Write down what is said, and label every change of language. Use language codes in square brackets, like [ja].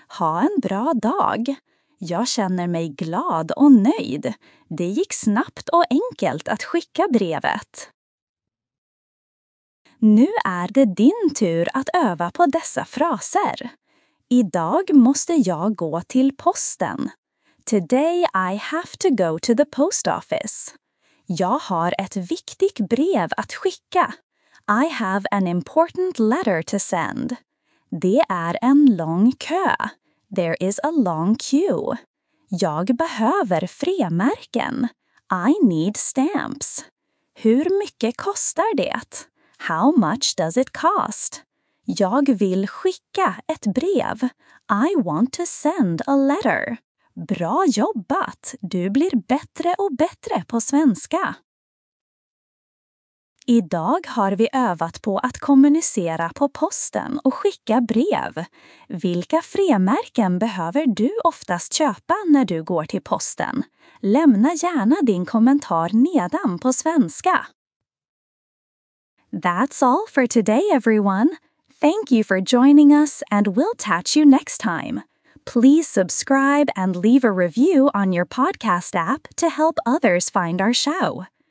[sv] Ha en bra dag. Jag känner mig glad och nöjd. Det gick snabbt och enkelt att skicka brevet. Nu är det din tur att öva på dessa fraser. Idag måste jag gå till posten. [en] Today I have to go to the post office. [sv] Jag har ett viktigt brev att skicka. [en] I have an important letter to send. [sv] Det är en lång kö. [en] There is a long queue. [sv] Jag behöver frimärken. [en] I need stamps. [sv] Hur mycket kostar det? [en] How much does it cost? [sv] Jag vill skicka ett brev. [en] I want to send a letter. [sv] Bra jobbat! Du blir bättre och bättre på svenska. Idag har vi övat på att kommunicera på posten och skicka brev. Vilka frimärken behöver du oftast köpa när du går till posten? Lämna gärna din kommentar nedan på svenska. [en] That's all for today, everyone. Thank you for joining us and we'll catch you next time. Please subscribe and leave a review on your podcast app to help others find our show.